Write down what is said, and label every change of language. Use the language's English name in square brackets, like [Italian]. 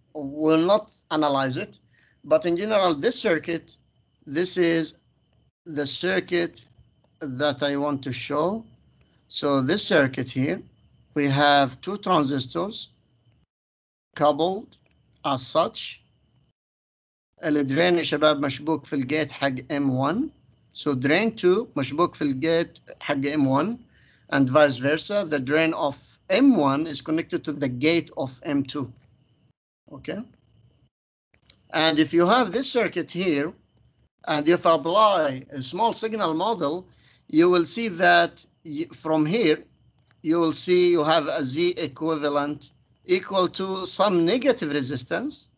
[English] We'll not analyze it. But in general, this circuit This is the circuit that I want to show. So this circuit here, we have two transistors coupled as such. [Arabic] الدرين يا شباب مشبوك في الجيت حق M1. [English] So drain 2 [Arabic] مشبوك في الجيت حق [English] M1 and vice versa. The drain of M1 is connected to the gate of M2. Okay. And if you have this circuit here, And if I apply a small signal model, you will see that from here, you will see you have a Z equivalent equal to some negative resistance.